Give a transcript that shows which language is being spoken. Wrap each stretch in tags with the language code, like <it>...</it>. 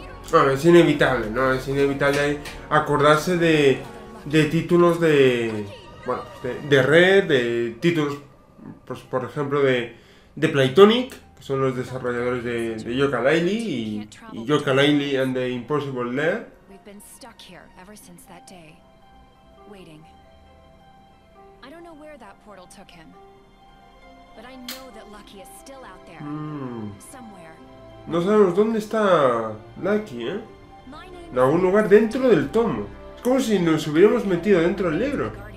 <es>Bueno, es inevitable acordarse de títulos de, bueno, de Red, de títulos, pues, por ejemplo, de Playtonic, que son los desarrolladores de Yooka-Laylee y Yooka-Laylee and the Impossible Lair.</es> <en>Been stuck here ever since that day, waiting. I don't know where that portal took him, but I know that Lucky is still out there, somewhere.</en> <es>No sabemos dónde está Lucky, En algún lugar dentro del tomo. Es como si nos hubiéramos metido dentro del libro.</es>